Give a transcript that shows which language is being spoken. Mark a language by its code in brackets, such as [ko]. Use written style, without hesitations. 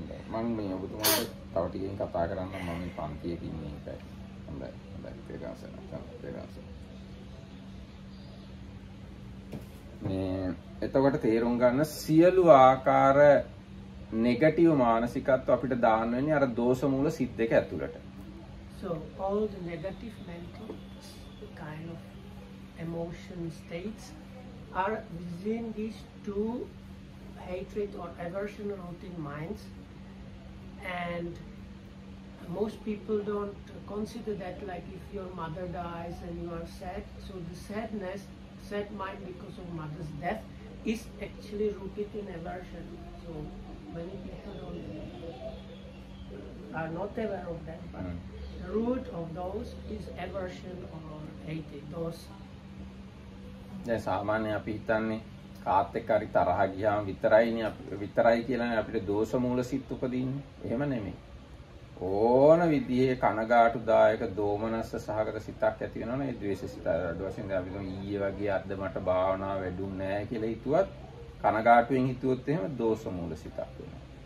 [si] මම මේ ඔබතුමාට තව ටිකකින් කතා කරන්න මම මේ පන්තියේ ඉන්නේ එකයි. හොඳයි. හොඳයි. තේරුම් ගන්න. මේ එතකොට තේරුම් ගන්න සියලු ආකාර නෙගටිව් මානසිකත්ව අපිට දාන්න වෙන්නේ අර දෝෂ මූල සිත් දෙක ඇතුළට. [en] So all the negative mental kind of emotion states are within these two hatred or aversion rooted minds. And most people don't consider that, like if your mother dies and you are sad, so the sadness, sad mind because of mother's death is actually rooted in aversion. So many people are not aware of that, but the root of those is aversion or hatred, dosa. Yes, Amanya Pitani. [si] කාත් එක්ක හරි තරහ ගියාම විතරයිනේ විතරයි කියලානේ අපිට දෝෂ මූල සිත් උපදින්නේ. එහෙම නෙමෙයි. ඕන විදිහේ කනගාටුදායක දෝමනස්ස සහගත සිතක් ඇති වෙනවනේ ද්වේෂ සිත අඩු වශයෙන් දැන් අපි කියන්නේ ඊයේ වගේ අද මට භාවනාව වැඩුම් නැහැ කියලා හිතුවත් කනගාටුවෙන් හිතුවොත් එහෙම දෝෂ මූල සිතක් වෙනවා.